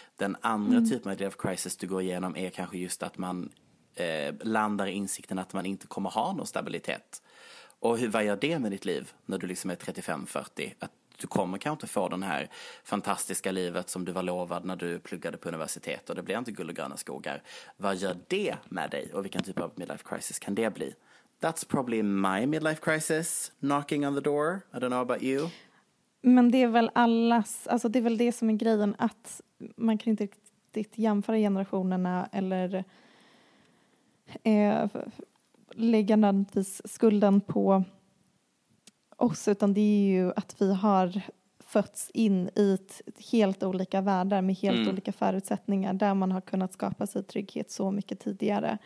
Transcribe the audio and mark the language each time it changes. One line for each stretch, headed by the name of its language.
Swedish: Den andra typen av midlife crisis du går igenom är kanske just att man landar i insikten att man inte kommer ha någon stabilitet. Och vad gör det med ditt liv när du liksom är 35-40? Att du kommer kanske inte få den här fantastiska livet som du var lovad när du pluggade på universitet och det blir inte guld och gröna skogar. Vad gör det med dig och vilken typ av midlife crisis kan det bli?
English: That's probably my midlife crisis knocking on the door. I don't know about you.
Swedish: Men det är väl allas, alltså det är väl det som är grejen, att man kan inte riktigt jämföra generationerna eller lägga nödvändigtvis skulden på oss, utan det är ju att vi har fötts in i helt olika världar med helt olika förutsättningar där man har kunnat skapa sig trygghet så mycket tidigare.